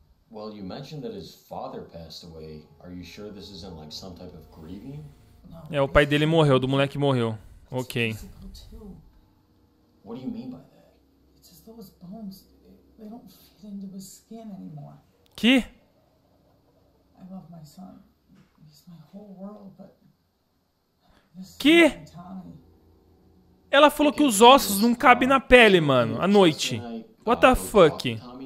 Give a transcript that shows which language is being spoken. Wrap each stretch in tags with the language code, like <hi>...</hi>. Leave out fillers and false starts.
<en>Well, you mentioned that his father passed away. Are you sure this isn't like some type of grieving?</en> <pt>É, o pai dele morreu, do moleque morreu.</pt> <en>Ok. What do you mean by that? It's as though his bones, they don't fit into his skin anymore.</en> <pt>Que?</pt> <en>I love my son. He's my whole world, but this</en> <pt>que? Ela falou que os ossos não cabem na pele, mano, à noite.</pt> <en>What the fuck?</en>